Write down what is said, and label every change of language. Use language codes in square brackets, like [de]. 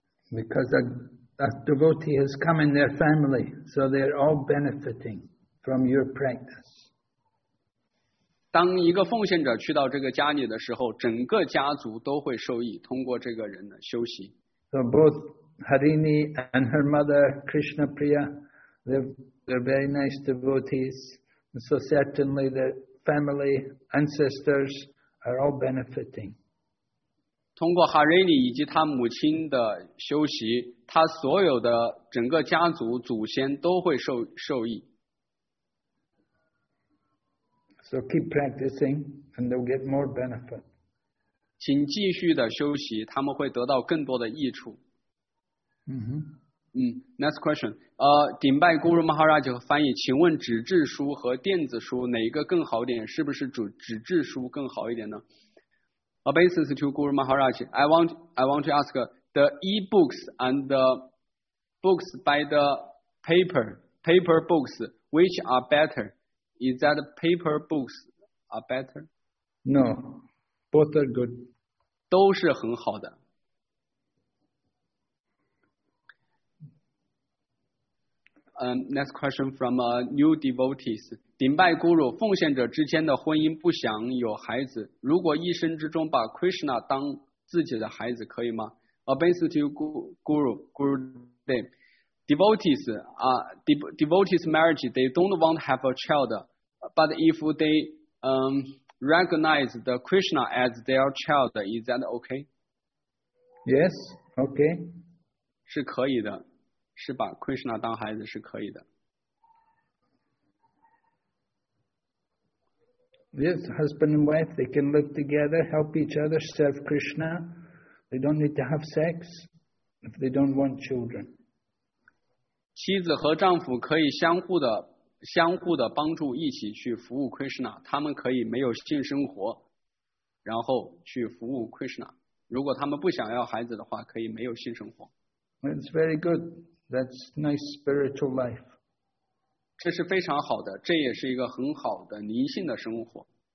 [en] Because a devotee has come in their family, so they're all benefiting from your practice. [zh] 当一个奉献者去到这个家里的时候，整个家族都会受益，通过这个人的修行。 [en] So both Harini and her mother Krishna Priya, they're very nice devotees. So certainly the family ancestors are all benefiting. [zh] 通过 Harini 以及他母亲的修习，他所有的整个家族祖先都会受益。 [en] So keep practicing and they'll get more benefit. [zh] 请继续的修习，他们会得到更多的益处。 [en] Next question. [zh] Dimbai Guru Maharaj 翻译，请问纸质书和电子书哪一个更好一点？是不是纸质书更好一点呢？ [en] A basis to Guru Maharaj. I want to ask the e-books and the books by the paper books, which are better? Is that paper books are better? No, both are good. [zh] 都是很好的。 [en] Next question from a new devotees. [zh] 顶拜 Guru, 奉献者之间的婚姻不想有孩子，如果一生之中把 Krishna 当自己的孩子可以吗？ [en] A basis to Guru Dev. Devotees, devotees marriage, they don't want to have a child. But if they recognize the Krishna as their child, is that okay? Yes, okay. [zh] 是可以的，是把 Krishna 当孩子是可以的。 [en] Yes, husband and wife, they can live together, help each other, serve Krishna. They don't need to have sex if they don't want children. [zh] 妻子和丈夫可以相互的帮助，一起去服务 Krishna， 他们可以没有性生活然后去服务 Krishna， 如果他们不想要孩子的话可以没有性生活。 [en] That's very good. That's nice spiritual life. [zh] 这是非常好的，这也是一个很好的灵性的生活。